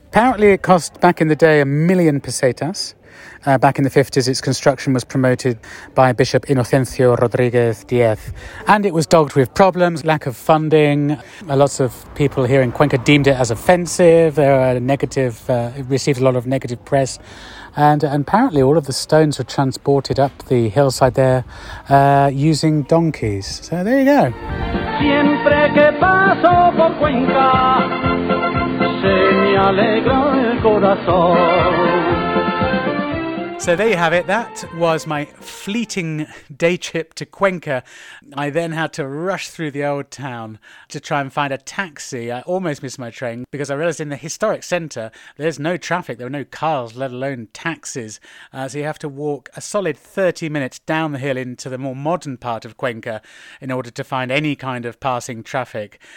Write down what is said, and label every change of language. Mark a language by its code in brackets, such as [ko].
[en] Apparently it cost back in the day $1,000,000 pesetas. Back in the 50s, its construction was promoted by Bishop Inocencio Rodriguez Diez, and it was dogged with problems, lack of funding. Lots of people here in Cuenca deemed it as offensive. There were negative, it received a lot of negative press. And apparently all of the stones were transported up the hillside there using donkeys. So there you go. [es] Siempre que paso por Cuenca, se me alegra el corazón. [en] So there you have it. That was my fleeting day trip to Cuenca. I then had to rush through the old town to try and find a taxi. I almost missed my train because I realised in the historic centre, there's no traffic. There are no cars, let alone taxis. So you have to walk a solid 30 minutes down the hill into the more modern part of Cuenca in order to find any kind of passing traffic.